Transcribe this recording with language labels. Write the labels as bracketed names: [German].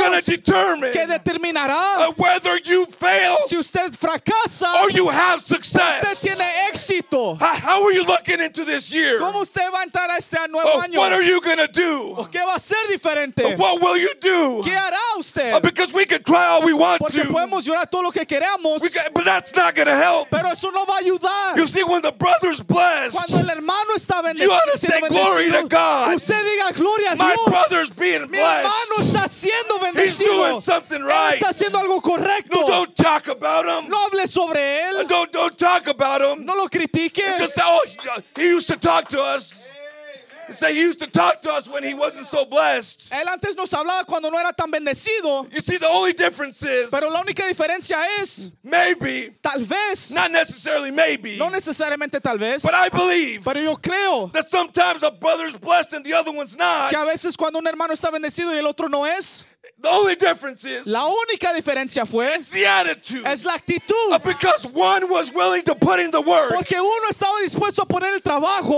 [English] that's going to determine [Spanish] que determinará [English] whether you fail, [Spanish] si usted fracasa, [English] or you have success. [Spanish] Usted tiene éxito. [English] How are you looking into this year? [Spanish] ¿Cómo usted va a entrar a este nuevo año? [English] What are you going to do? [Spanish] ¿Qué va a ser diferente? [English] What will you do? [Spanish] ¿Qué hará usted? [English] Because we can cry all we want [Spanish] porque [English] to, [Spanish] podemos llorar todo lo que queremos, [English] but that's not going to help. [Spanish] Pero eso no va a ayudar. [English] You see, when the brother's blessed, [Spanish] cuando el hermano está bendecido, [English] you ought to say glory to God. [Spanish] Usted diga gloria a Dios. [English] My brother's being blessed. [Spanish] Mi hermano está siendo bendecido. [English] He's doing something right. [Spanish] Está haciendo algo correcto. [English] No, don't talk about him. [Spanish] No hable sobre él. [English] Don't talk about him. [Spanish] No lo critique. [English] And just say, oh, he used to talk to us. Say he used to talk to us when he wasn't so blessed. [Spanish] Él antes nos hablaba cuando no era tan bendecido. [English] You see, the only difference is. [Spanish] Pero la única diferencia es. [English] Maybe. [Spanish] Tal vez. [English] Not necessarily maybe. [Spanish] No necesariamente tal vez. [English] But I believe. [Spanish] Pero yo creo. [English] That sometimes a brother's blessed and the other one's not. [Spanish] Que a veces cuando un hermano está bendecido y el otro no es. [English] The only difference is. [Spanish] La única diferencia fue. [English] It's the attitude. [Spanish] Es la actitud. [English] Because one was willing to put in the work. [Spanish] Porque uno estaba dispuesto a poner el trabajo.